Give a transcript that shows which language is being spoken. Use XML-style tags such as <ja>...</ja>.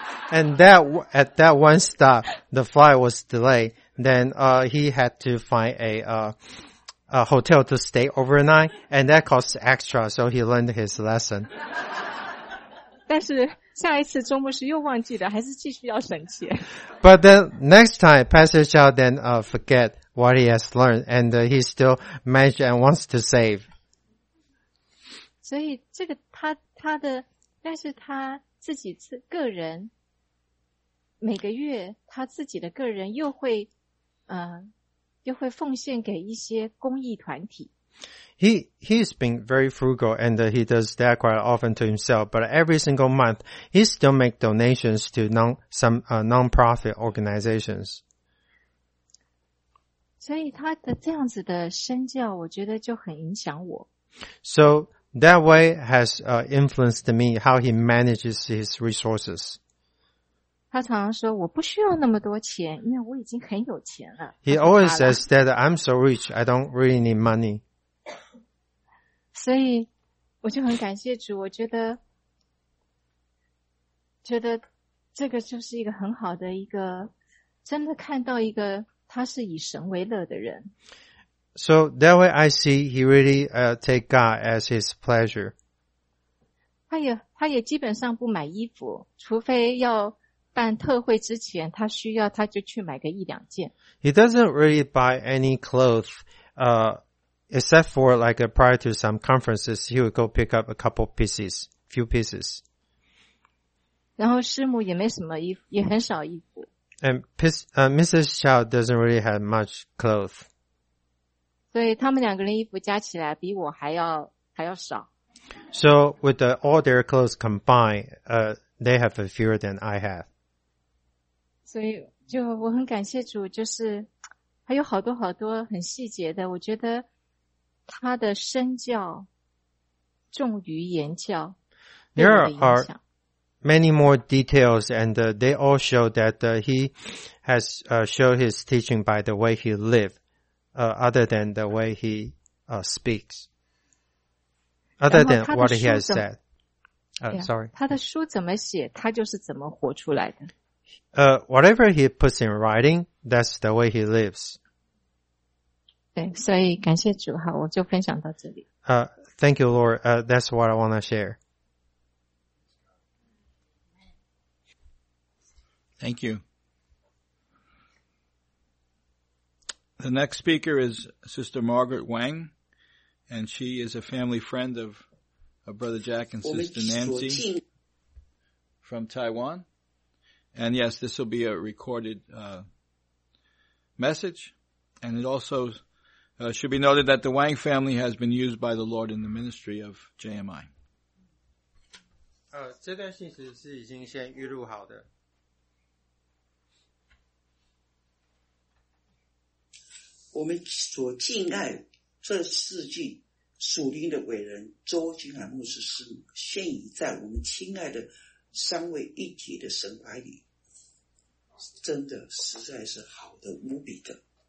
<en>And that at that one stop, the flight was delayed. Then he had to find a hotel to stay overnight, and that cost extra. So he learned his lesson.</en> <zh>但是下一次周牧师又忘记了，还是继续要省钱。</zh> <en>But then next time, Pastor Shaw then forget what he has learned, and he still managed and wants to save.</en> <zh>所以这个他的，但是他自己个人。每个月他自己的个人又会奉献给一些公益团体。</zh> <en>He's been very frugal and he does that quite often to himself, but every single month he still make donations to non-profit organizations.</en> <zh>所以他的这样子的身教我觉得就很影响我。</zh> <en>So that way has influenced me how he manages his resources.</en> <zh>他常常说我不需要那么多钱，因为我已经很有钱了。</zh> <en>He always says that I'm so rich, I don't really need money.</en> <zh>所以我就很感谢主，我觉得这个就是一个很好的一个，真的看到一个他是以神为乐的人。</zh> <en>So that way I see he really take God as his pleasure.</en> <zh>他也基本上不买衣服，除非要办特会之前他需要他就去买个一两件。</zh> <en>He doesn't really buy any clothes, except for like a prior to some conferences, he would go pick up a couple pieces, few pieces.</en> <zh>然后师母也没什么衣服，也很少衣服。</zh> <en>And Mrs. Chow doesn't really have much clothes.</en> <zh>所以他们两个人衣服加起来比我还要少。</zh> <en>So with the, all their clothes combined, they have fewer than I have.</en> <zh>所以就我很感谢主，就是还有好多好多很细节的，我觉得他的身教重于言教。</zh> <en>There are many more details, and they all show that he has showed his teaching by the way he lived, other than the way he speaks. Other than what he has said. Sorry.</en> <zh>他的书怎么写，他就是怎么活出来的。</zh> <en>Whatever he puts in writing, that's the way he lives. 对，所以感谢主，好，我就分享到这里。 Thank you, Lord. That's what I want to share. Thank you. The next speaker is Sister Margaret Wang, and she is a family friend of Brother Jack and Sister Nancy from Taiwan. And yes, this will be a recorded message. And it also should be noted that the Wang family has been used by the Lord in the ministry of JMI.</en> <zh>这段信息是已经先预录好的。我们所敬爱这世纪属灵的伟人周金海牧师师母，现已在我们亲爱的三位一体的神怀里，真的实在是好的无比的。</zh>